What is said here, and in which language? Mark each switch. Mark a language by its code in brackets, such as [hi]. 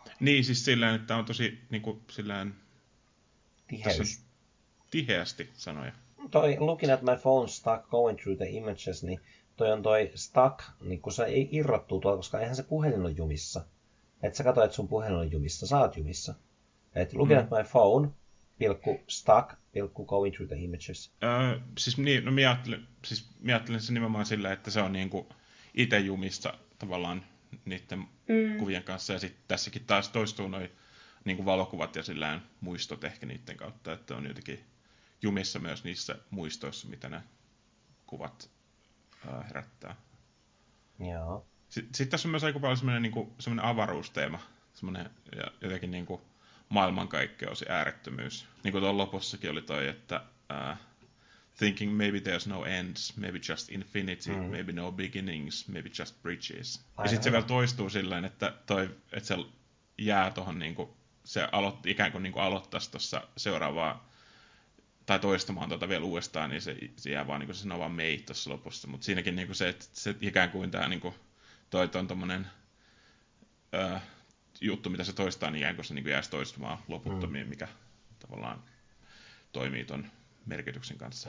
[fi] Niin, siis silleen, että on tosi niinku silleen tiheys. Tiheästi sanoja. Toi [en] looking at my phone stuck going through the images, [fi] niin toi on toi stuck, niin kun se ei irrottuu tuolla, koska eihän se puhelin ole jumissa. Et sä kato, että sun puhelin on jumissa, sä oot jumissa. Et [en] looking at my phone, [fi] pilkku stuck, pilkku [en] going through the images. [fi] Mä ajattelin sen nimenomaan sillä, että se on niinku ite jumissa tavallaan niiden kuvien kanssa, ja sit tässäkin taas toistuu noi niin kuin valokuvat ja sillään muistot ehkä niiden kautta, että on jotenkin jumissa myös niissä muistoissa, mitä ne kuvat herättää. Joo. Sitten tässä on myös aika paljon semmoinen avaruusteema, semmoinen ja jotenkin niin kuin maailmankaikkeus ja äärettömyys. Niin kuin tuon lopussakin oli toi, että [en] thinking maybe there's no ends, maybe just infinity, maybe no beginnings, maybe just bridges. [fi] Aivan. Ja sitten se vielä toistuu silleen, että, toi, että se jää tuohon, niin se aloitti, ikään kuin, niin kuin aloittaisi tuossa seuraavaa, tai toistamaan tuota vielä uudestaan, niin se jää vaan niin se sanoo vaan mei tuossa lopussa. Mutta siinäkin niin se, että se ikään kuin tämä niin kuin, toi, on tuommoinen juttu, mitä se toistaa, niin ikään kuin se niin jäisi toistumaan loputtomiin, mikä tavallaan toimii tuon merkityksen kanssa.